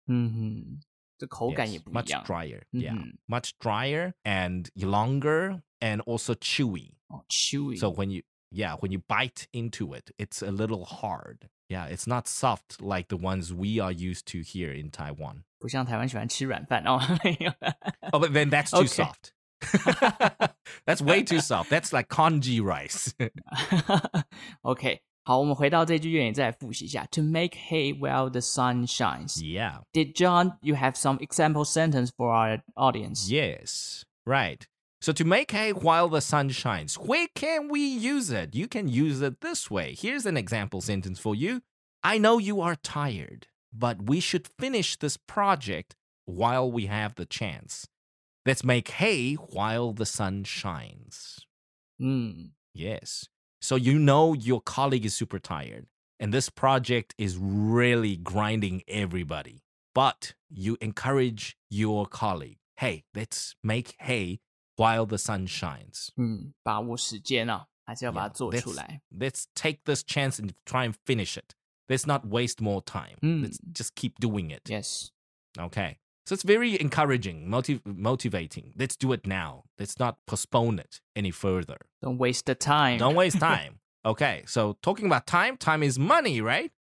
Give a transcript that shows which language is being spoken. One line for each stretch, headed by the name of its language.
Chinese: Mm-hmm. 这口感也不一样。
English: Yes, much drier, yeah. Mm-hmm. Much drier and longer and also chewy. Oh, chewy. So when you bite into it, it's a little hard. Yeah, it's not soft like the ones we are used to here in Taiwan.
Chinese: 不像台湾喜欢吃软饭哦，没有。
English: Oh, but then that's too soft. That's way too soft. That's like congee rice. Okay. 好，我们回到这句谚语再来复习一下。 To make hay while the sun shines. Yeah. Did John, you have some example sentence for our audience? Yes, right. So to make hay while the sun shines, where can we use it? You can use it this way. Here's an example sentence for you. I know you are tired, but we should finish this project while we have the chance. Let's make hay while the sun shines. Yes. So you know your colleague is super tired, and this project is really grinding everybody. But you encourage your colleague, hey, let's make hay while the sun shines.
Chinese: 把握时间啊，还是要把它做出来。
English: Let's take this chance and try and finish it. Let's not waste more time. Let's just keep doing it. Yes. Okay. So it's very encouraging, motivating. Let's do it now. Let's not postpone it any further. Don't waste the time. Don't waste time. Okay, so talking about time, time is money, right?